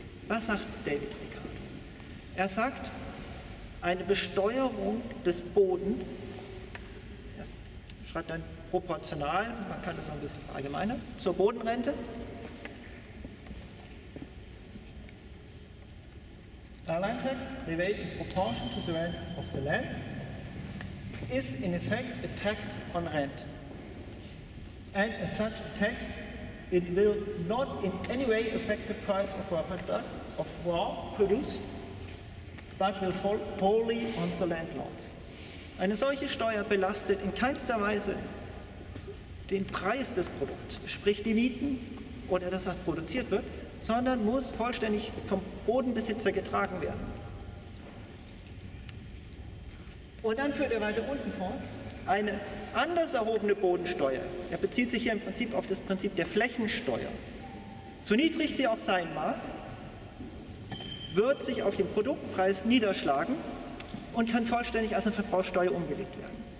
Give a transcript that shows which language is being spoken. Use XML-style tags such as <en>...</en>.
<de>Was sagt David Ricardo? Er sagt, eine Besteuerung des Bodens, er schreibt dann proportional, man kann das auch ein bisschen verallgemeinern, zur Bodenrente,</de> <en>Land tax, levied in proportion to the rent of the land, is in effect a tax on rent. And as such a tax, it will not in any way affect the price of raw produce, but will fall wholly on the landlords.</en> <de>Eine solche Steuer belastet in keinster Weise den Preis des Produkts, sprich die Mieten oder das, was produziert wird, sondern muss vollständig vom Bodenbesitzer getragen werden. Und dann führt er weiter unten fort, eine anders erhobene Bodensteuer, er bezieht sich hier im Prinzip auf das Prinzip der Flächensteuer, so niedrig sie auch sein mag, wird sich auf den Produktpreis niederschlagen und kann vollständig als eine Verbrauchsteuer umgelegt werden.</de>